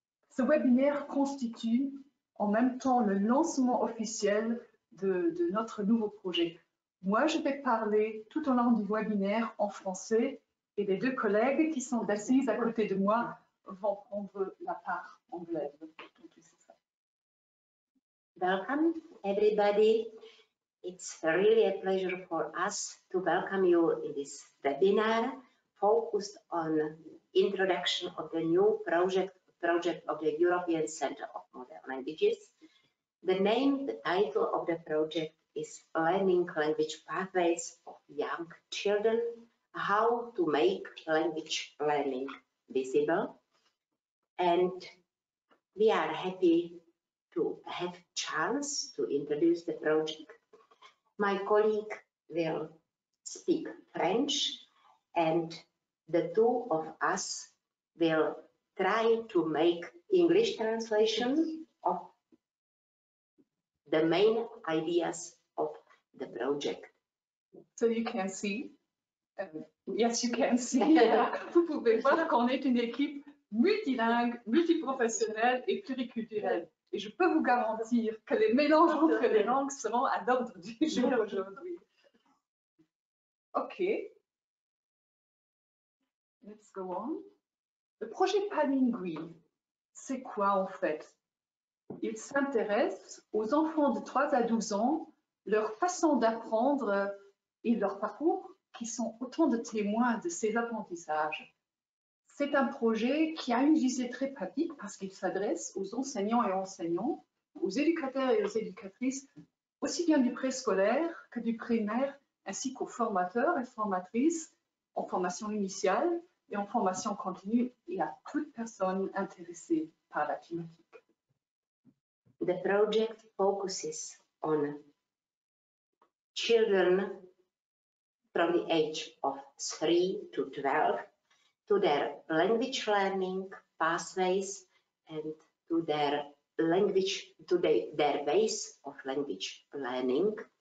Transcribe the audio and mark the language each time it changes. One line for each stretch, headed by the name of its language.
French: Ce webinaire constitue en même temps le lancement officiel de notre nouveau projet. Moi, je vais parler tout au long du webinaire en français et les deux collègues qui sont assises à côté de moi vont prendre la part anglaise.
English: Welcome, everybody. It's really a pleasure for us to welcome you in this webinar focused on introduction of the new project of the European Center of Modern Languages. The name, the title of the project is Learning Language Pathways of Young Children, How to Make Language Learning Visible. And we are happy to have a chance to introduce the project. My colleague will speak French, and the two of us will try to make English translation of the main ideas of the project. So you can see. Yes, you can see.
French: Vous pouvez voir qu'on est une équipe multilingue, multiprofessionnelle et pluriculturelle. Et je peux vous garantir que les mélanges entre les langues seront à l'ordre du jour aujourd'hui. OK.
English: Let's go on.
French: Le projet Panoui, c'est quoi en fait? Il s'intéresse aux enfants de 3 à 12 ans, leur façon d'apprendre et leur parcours, qui sont autant de témoins de ces apprentissages. C'est un projet qui a une visée très pratique parce qu'il s'adresse aux enseignants et enseignants, aux éducateurs et aux éducatrices, aussi bien du préscolaire que du primaire, ainsi qu'aux formateurs et formatrices en formation initiale et en formation continue et à toute personne intéressée par la thématique.
English: The project focuses on children from the age of 3 to 12 to their language learning pathways and to their language, to their ways of language learning.